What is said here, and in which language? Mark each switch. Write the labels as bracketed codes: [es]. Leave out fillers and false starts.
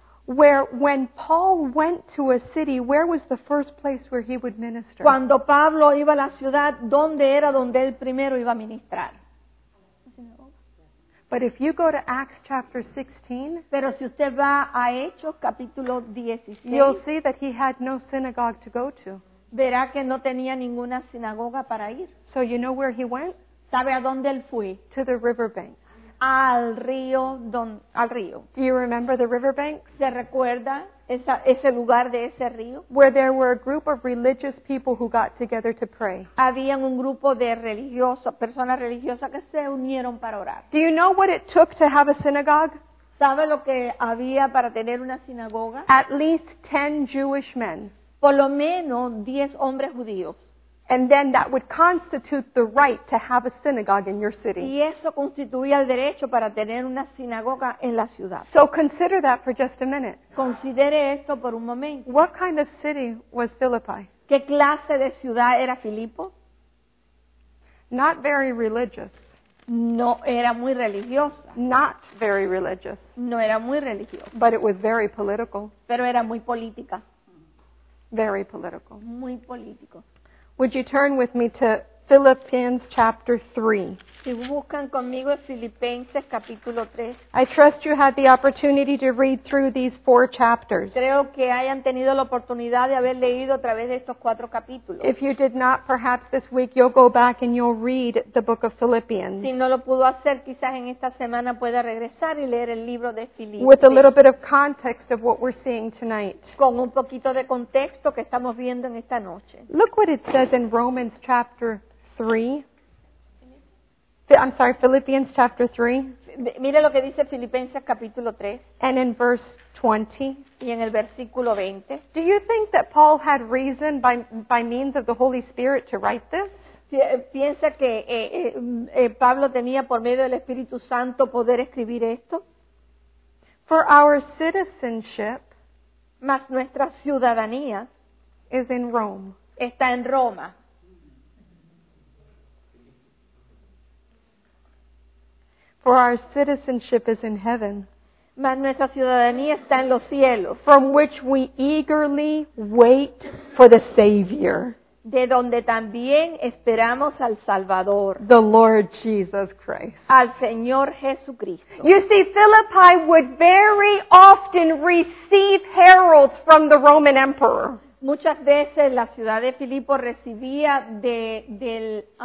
[en] where when Paul went to a city, where was the first place where he would minister? [es] Cuando Pablo iba a la ciudad, ¿dónde era donde él primero iba a ministrar? [en] But if you go to Acts chapter 16, [es] pero si usted va a Hechos capítulo 16, [en] you'll see that he had no synagogue to go to. [es] Verá que no tenía ninguna sinagoga para ir. [en] So you know where he went? [es] ¿Sabe a dónde él fue? [en] To the riverbank. [es] Al río. [en] Do you remember the riverbank? [es] ¿Se recuerda? ese lugar de ese río, [en] where there were a group of religious people who got together to pray. [es] Había un grupo de religiosos, personas religiosas que se unieron para orar. [en] Do you know what it took to have a synagogue? [es] ¿Sabe lo que había para tener una sinagoga? [en] At least 10 Jewish men. [es] Por lo menos 10 hombres judíos. [en] And then that would constitute the right to have a synagogue in your city. [es] Y eso constituía el derecho para tener una sinagoga en la ciudad. [en] So consider that for just a minute. [es] Considere esto por un momento. [en] What kind of city was Philippi? [es] ¿Qué clase de ciudad era Filipo? [en] Not very religious. [es] No era muy religiosa. [en] Not very religious. [es] No era muy religiosa. [en] But it was very political. [es] Pero era muy política. [en] Very political. [es] Muy político. [en] Would you turn with me to Philippians chapter 3? [es] Si buscan conmigo Filipenses capítulo 3. [en] I trust you had the opportunity to read through these four chapters. [es] Creo que hayan tenido la oportunidad de haber leído a través de estos cuatro capítulos. [en] If you did not, perhaps this week you'll go back and you'll read the book of Philippians. [es] Si no lo pudo hacer, quizás en esta semana pueda regresar y leer el libro de Filipenses. [en] With a little bit of context of what we're seeing tonight. [es] Con un poquito de contexto que estamos viendo en esta noche. [en] Look what it says in Romans chapter 3. I'm sorry, Philippians chapter 3. [es] Mire lo que dice Filipenses capítulo 3. [en] And in verse 20. [es] Y en el versículo 20. [en] Do you think that Paul had reason by means of the Holy Spirit to write this? [es] ¿Piensa que Pablo tenía por medio del Espíritu Santo poder escribir esto? [en] For our citizenship, [es] más nuestra ciudadanía, [en] is in Rome. [es] Está en Roma. [en] For our citizenship is in heaven. [es] Mas nuestra ciudadanía está en los cielos. [en] From which we eagerly wait for the Savior. [es] De donde también esperamos al Salvador. [en] The Lord Jesus Christ. [es] Al Señor Jesucristo. [en] You see, Philippi would very often receive heralds from the Roman Emperor. [es] Muchas veces la ciudad de Filipo recibía del